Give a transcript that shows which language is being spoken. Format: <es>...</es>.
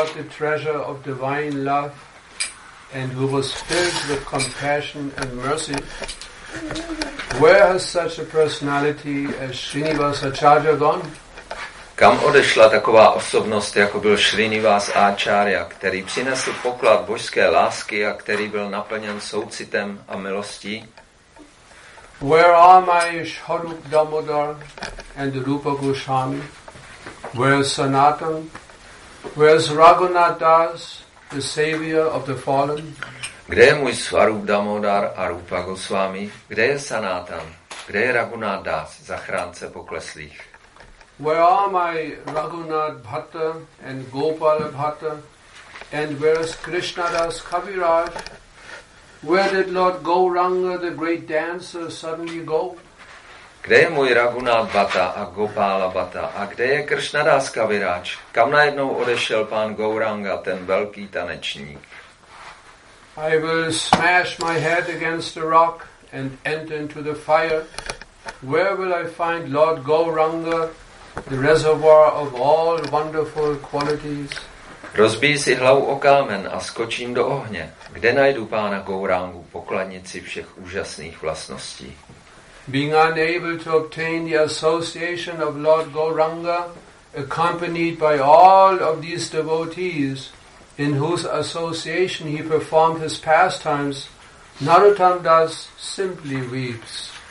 <en>Treasure of divine love, and who was filled with compassion and mercy. Where has such a personality as Srinivas Acharya gone?</en> <cs>Kam odešla taková osobnost, jako byl Srinivas Acharya, který přinesl poklad božské lásky a který byl naplněn soucitem a milostí?</cs> <en>Where are my Shwarup Damodar and Rupa Goswami? Where is Sanatan? Where's Raghunath Das, the savior of the fallen?</en> <cs>Kde je můj Swarup Damodar a Rupa Goswami? Kde je Sanatan? Kde je Raghunath Das, zachránce pokleslých?</cs> <en>Where are my Raghunath Bhatta and Gopala Bhatta? And where's Krishna Das Kaviraj? Where did Lord Gauranga, the great dancer, suddenly go?</en> <cs>Kde je můj Raghunath Bhatta a Gopala Bhatta? A kde je Krishna Das Kaviraj? Kam najednou odešel pán Gauranga, ten velký tanečník?</cs> <en>I will smash my head against a rock and enter into the fire. Where will I find Lord Gauranga, the reservoir of all wonderful qualities?</en> <cs>Rozbíj si hlavu o kámen a skočím do ohně. Kde najdu pána Gaurangu, pokladnici všech úžasných vlastností?</cs> <en>being unable to obtain the association of Lord Gauranga, accompanied by all of these devotees, in whose association he performed his pastimes, Narottam Das simply weeps.</en>